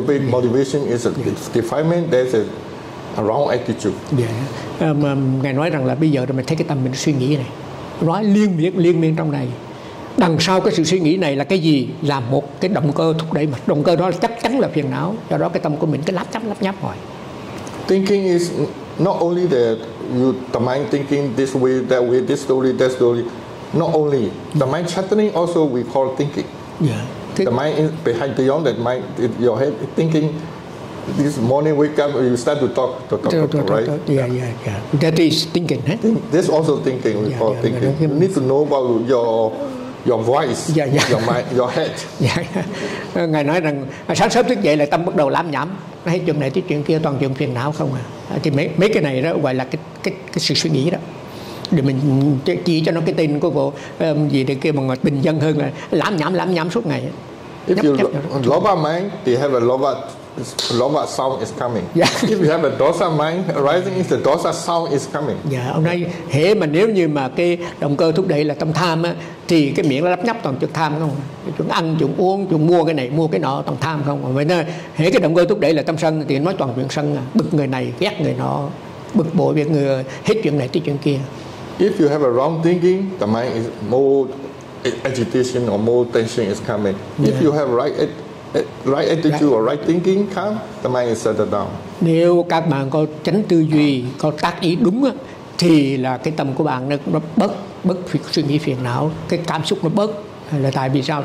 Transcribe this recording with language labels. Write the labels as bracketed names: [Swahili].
[English] Motivation is a defilement. There's a wrong attitude. [Vietnamese] Ngài nói rằng là bây giờ mình thấy cái tâm mình suy nghĩ này, nói liên miên trong này. Đằng sau cái sự suy nghĩ này là cái gì? Là một cái động cơ thúc đẩy, mà động cơ đó là chắc chắn là phiền não. Do đó cái tâm của mình cứ lắp nhắp hoài. [English] Thinking is not only that you the mind thinking this way, that way, this story, that story. Not only the mind chattering, also we call thinking. The mind is behind beyond that mind. Your head thinking. This morning wake up, you start to talk, right? That is thinking. This also thinking. We call thinking. You need to know about your voice, your mind, your head. [Vietnamese] Ngài nói rằng sáng sớm thức dậy là tâm bắt đầu lám nhảm, nói chuyện này tới chuyện kia, toàn chuyện phiền não không à? Thì mấy cái này đó gọi là cái sự suy nghĩ đó. Để mình chỉ cho nó cái tên của bộ gì để kêu bằng bình dân hơn là lãm nhảm suốt ngày. [English] If you lobha mind, they have a lobha sound is coming. If you have a dosa mind, arising is the dosa sound is coming. [Vietnamese] Dạ, hôm nay hễ mà nếu như mà cái động cơ thúc đẩy là tâm tham á, thì cái miệng nó lắp nhắp toàn chuyện tham không? Chúng ăn, chúng uống, chúng mua cái này, mua cái nọ, toàn tham không? Vậy nên hễ cái động cơ thúc đẩy là tâm sân thì nói toàn chuyện sân, bực người này, ghét người nọ, bực bội với người, hết chuyện này tới chuyện kia. [English] If you have a wrong thinking, the mind is more agitation or more tension is coming. Yeah. If you have right attitude or right thinking come, the mind is settled down. [Vietnamese] Nếu các bạn có chánh tư duy, có tác ý đúng á, thì là cái tâm của bạn nó bớt bớt suy nghĩ phiền não, cái cảm xúc nó bớt. Là tại vì sao?